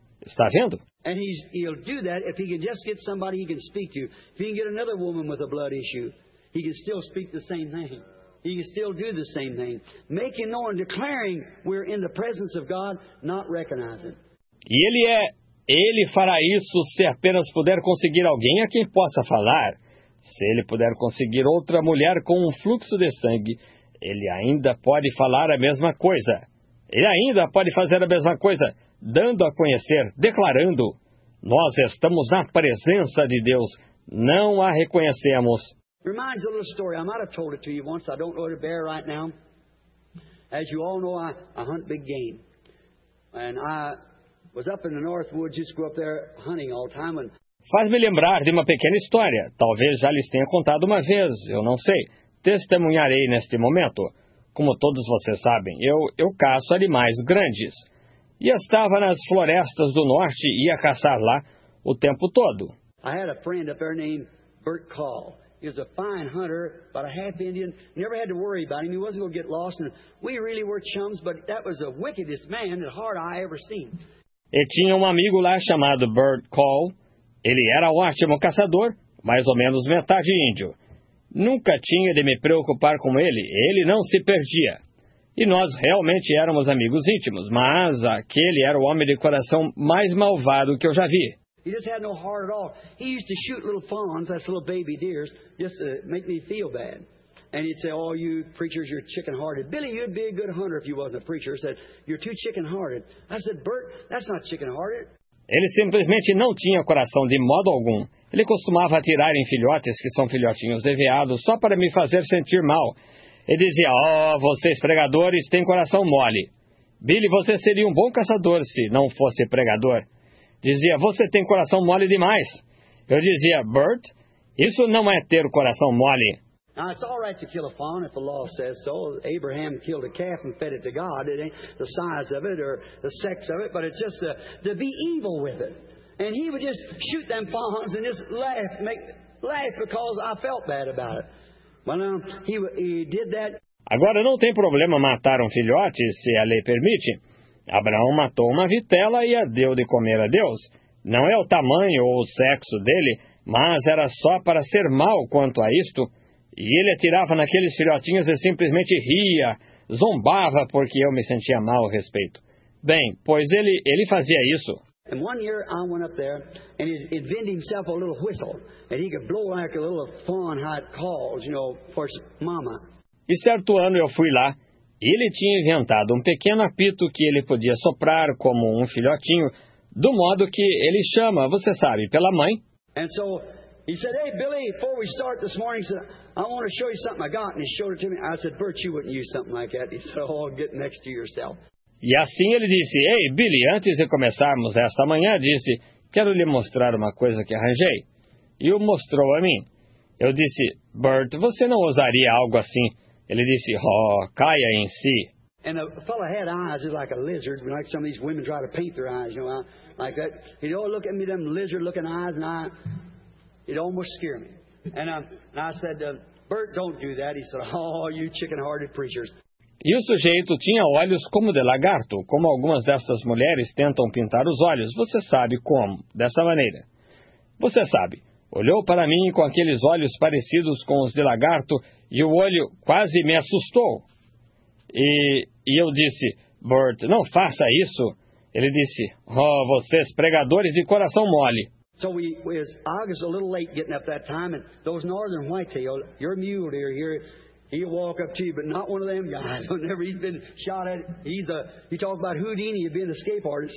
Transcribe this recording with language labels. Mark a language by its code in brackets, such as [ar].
[pt] Está vendo? [en] And he'll do that if he can just get somebody he can speak to. If he can get another woman with a blood issue, he can still speak the same thing. He can still do the same thing, making known, declaring we're in the presence of God, not recognizing. [pt] E ele fará isso se apenas puder conseguir alguém a quem possa falar. Se ele puder conseguir outra mulher com um fluxo de sangue, ele ainda pode falar a mesma coisa. Ele ainda pode fazer a mesma coisa, dando a conhecer, declarando. Nós estamos na presença de Deus, não a reconhecemos. [en] Reminds a little story. I might have told it to you once. I don't know it to bear right now. As you all know, I hunt big game. And I was up in the North Woods, just grew up there hunting all the time. And... [pt] Faz-me lembrar de uma pequena história. Talvez já lhes tenha contado uma vez, eu não sei. Testemunharei neste momento. Como todos vocês sabem, eu caço animais grandes. E estava nas florestas do Norte e ia caçar lá o tempo todo. [en] I had a friend up there named Bert Call. He was a fine hunter, but a half Indian. Never had to worry about him. He wasn't going to get lost. And we really were chums, but that was the wickedest man at heart I ever seen. [pt] E tinha um amigo lá chamado Bert Call. Ele era um ótimo caçador, mais ou menos metade índio. Nunca tinha de me preocupar com ele. Ele não se perdia. E nós realmente éramos amigos íntimos, mas aquele era o homem de coração mais malvado que eu já vi. [en] He just had no heart at all. He used to shoot little fawns, that's little baby deers, just to make me feel bad. And he'd say, "Oh, you preachers, you're chicken-hearted. Billy, you'd be a good hunter if you wasn't a preacher." He said, "You're too chicken-hearted." I said, "Bert, that's not chicken-hearted." [pt] Ele simplesmente não tinha coração de modo algum. Ele costumava atirar em filhotes, que são filhotinhos de veado, só para me fazer sentir mal. Ele dizia, "Oh, vocês pregadores têm coração mole. Billy, você seria um bom caçador se não fosse pregador." Dizia, "Você tem coração mole demais." Eu dizia, "Bert, isso não é ter coração mole." [en] Now, it's all right to kill a fawn if the law says so. Abraham killed a calf and fed it to God. It ain't the size of it or the sex of it, but it's just to be evil with it. And he would just shoot them fawns and just laugh because I felt bad about it. Well, now, he did that. [pt] Agora, não tem problema matar um filhote, se a lei permite. Abraão matou uma vitela e a deu de comer a Deus. Não é o tamanho ou o sexo dele, mas era só para ser mal quanto a isto. E ele atirava naqueles filhotinhos e simplesmente ria, zombava porque eu me sentia mal a respeito. Bem, pois ele fazia isso. [en] And one year I went up there and he invented himself a little whistle and he could blow like a little fawn hot calls, you know, for his mama. [pt] E certo ano eu fui lá Ele tinha inventado um pequeno apito que ele podia soprar como um filhotinho, do modo que ele chama, você sabe, pela mãe. [en] And so he said, "Hey Billy, before we start this morning, said, I want to show you something I got." And he showed it to me. I said, "Bert, you wouldn't use something like that." He said, "Oh, get next to yourself." [pt] E assim ele disse, "Ei, Billy, antes de começarmos esta manhã, disse, quero lhe mostrar uma coisa que arranjei." E o mostrou a mim. Eu disse, "Bert, você não usaria algo assim?" Ele disse, "Oh, caia em si." [en] And a fellow had eyes like a lizard, like some of these women try to paint their eyes, you know, like that. He'd all look at me, them lizard-looking eyes, and I, it almost scared me. And I said, "Bert, don't do that." He said, "Oh, you chicken-hearted preachers." [pt] E o sujeito tinha olhos como de lagarto, como algumas destas mulheres tentam pintar os olhos. Você sabe como? Dessa maneira. Você sabe. Olhou para mim com aqueles olhos parecidos com os de lagarto e o olho quase me assustou. E eu disse, "Bert, não faça isso." Ele disse, "Oh, vocês pregadores de coração mole." [en] So we was August a little late getting up that time, and those northern whitetail, your mule deer here, he'll walk up to you, but not one of them guys. Whenever he's been shot at, he talked about Houdini being an escape artist.